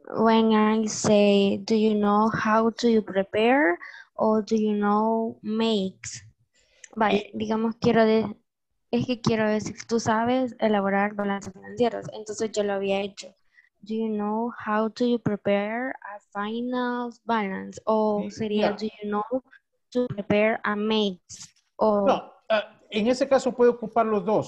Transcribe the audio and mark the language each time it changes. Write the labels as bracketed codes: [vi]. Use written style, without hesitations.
[en] When I say, do you know how to prepare or do you know makes? [es] Vale, digamos quiero decir, es que quiero decir, tú sabes elaborar balances financieros, entonces yo lo había hecho. [en] Do you know how to prepare a final balance? [es] O sería, no. [en] Do you know to prepare a makes? O... [es] No, en ese caso puede ocupar los dos.